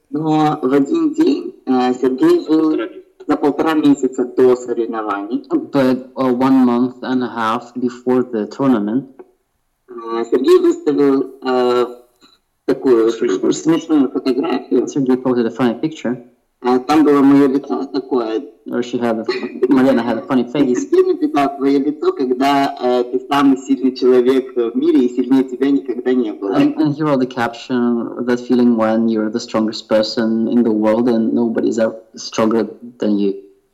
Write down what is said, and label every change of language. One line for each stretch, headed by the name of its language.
Russian: Но в один день Сергей был за полтора месяца до соревнований.
English: But one month and a half before the tournament.
Russian: Сергей выставил такую смешную фотографию.
English: Сергей posted a funny picture.
Russian: Там было мое лицо такое.
English: Or she had Марина had a funny face.
Russian: Ты написал твое лицо, когда ты самый сильный человек в мире, и сильнее тебя никогда не было.
English: And he wrote the caption, that feeling when you're the strongest person in the world and nobody's ever stronger than you.